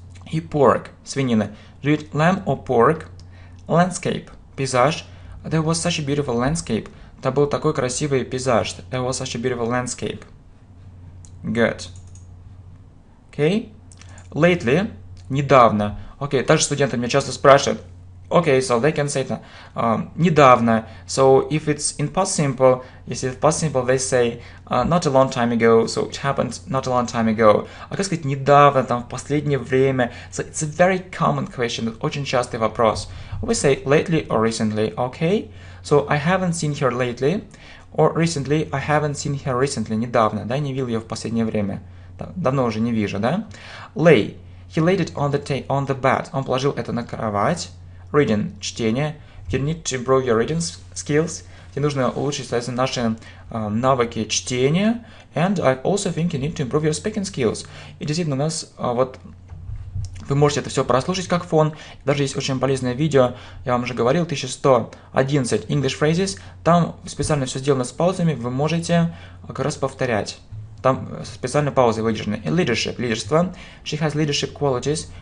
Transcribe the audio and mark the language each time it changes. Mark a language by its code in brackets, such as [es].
[ru] И [en] pork – [ru] свинина. [en] Do you eat lamb or pork? Landscape – [ru] пейзаж. [en] There was such a beautiful landscape. [ru] Там был такой красивый пейзаж. [en] There was such a beautiful landscape. Good. Okay. Lately. [ru] Недавно. Okay, также студенты меня часто спрашивают. [en] Okay, so they can say that. [ru] Недавно. [en] So if it's in past simple, [ru] если [en] it's past simple, they say not a long time ago. So it happened not a long time ago. [ru] А как сказать недавно, там в последнее время? [en] So it's a very common question. [ru] Очень частый вопрос. [en] We say lately or recently, okay? So I haven't seen her lately or recently. I haven't seen her recently. [ru] Недавно, да, не видел ее в последнее время. Давно уже не вижу, да? [en] Lay. He laid it on the bed. [ru] Он положил это на кровать. [en] Reading. [ru] Чтение. [en] You need to improve your reading skills. [ru] Тебе нужно улучшить, соответственно, наши навыки чтения. [en] And I also think you need to improve your speaking skills. [ru] И действительно, у нас вот... Вы можете это все прослушать как фон. Даже есть очень полезное видео, я вам уже говорил, 1111 English Phrases. Там специально все сделано с паузами, вы можете как раз повторять. Там специально паузы выдержаны. [en] And leadership, [ru] лидерство. [en] She has leadership qualities.